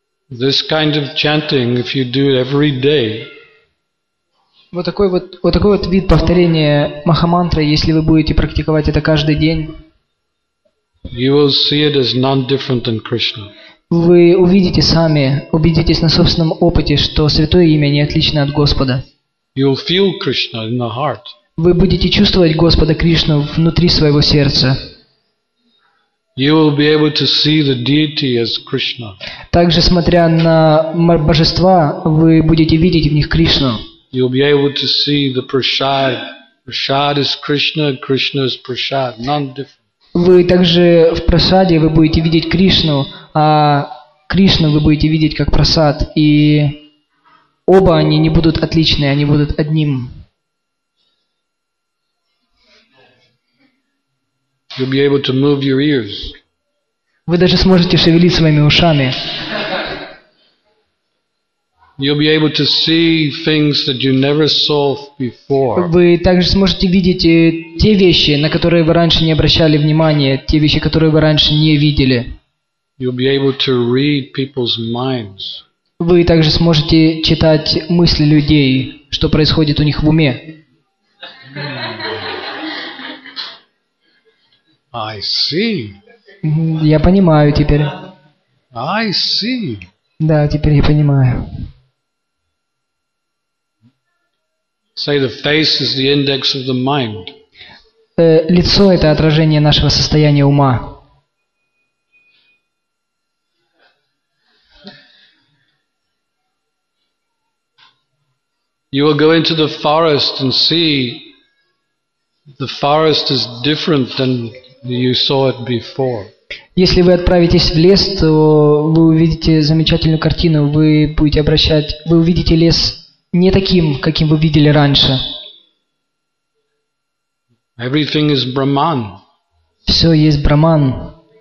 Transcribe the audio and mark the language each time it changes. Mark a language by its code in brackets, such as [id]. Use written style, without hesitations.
[en] This kind of chanting, if you do it every day, [ru] вот такой вид повторения Махамантры, если вы будете практиковать это каждый день, [en] you will see it as none different than Krishna. [ru] Вы увидите сами, убедитесь на собственном опыте, что Святое Имя не отлично от Господа. [en] You will feel Krishna in the heart. [ru] Вы будете чувствовать Господа Кришну внутри своего сердца. [en] You will be able to see the deity as Krishna. [ru] Также, смотря на божества, вы будете видеть в них Кришну. [en] You will be able to see the Prashad. Prashad is Krishna, Krishna is Prashad. None different. [ru] Вы также в Прасаде вы будете видеть Кришну, а Кришну вы будете видеть как Прасад, и оба они не будут отличны, они будут одним. [en] You'll be able to move your ears. [ru] Вы даже сможете шевелить своими ушами. [en] You'll be able to see things that you never saw before. [ru] Вы также сможете видеть те вещи, на которые вы раньше не обращали внимания, те вещи, которые вы раньше не видели. [en] You'll be able to read people's minds. [ru] Вы также сможете читать мысли людей, что происходит у них в уме. [en] I see. [ru] Я понимаю теперь. [en] I see. [ru] Да, теперь я понимаю. [en] Say the face is the index of the mind. [ru] Лицо это отражение нашего состояния ума. [en] You will go into the forest and see the forest is different than you saw it before. [ru] Если вы отправитесь в лес, то вы увидите замечательную картину. Вы будете обращать, вы увидите лес не таким, каким вы видели раньше. [en] Everything is Brahman. [ru] Все есть Брахман.